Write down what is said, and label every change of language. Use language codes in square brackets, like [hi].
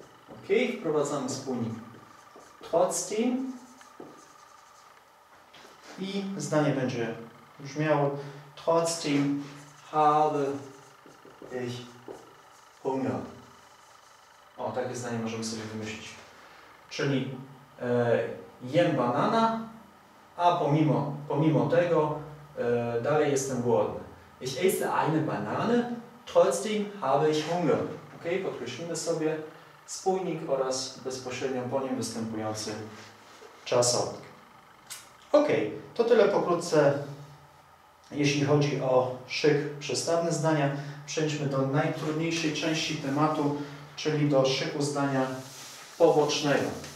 [pl] Ok, wprowadzamy spójnik. [de] Trotzdem. [pl] I zdanie będzie brzmiało. [de] Trotzdem habe ich Hunger. [pl] O, takie zdanie możemy sobie wymyślić. Czyli jem banana, a pomimo tego dalej jestem głodny. [de] Ich esse eine Banane, trotzdem habe ich Hunger. [pl] Ok, podkreślimy sobie spójnik oraz bezpośrednio po nim występujący czasownik. Ok, to tyle pokrótce, jeśli chodzi o szyk przestawny zdania. Przejdźmy do najtrudniejszej części tematu, czyli do szyku zdania pobocznego.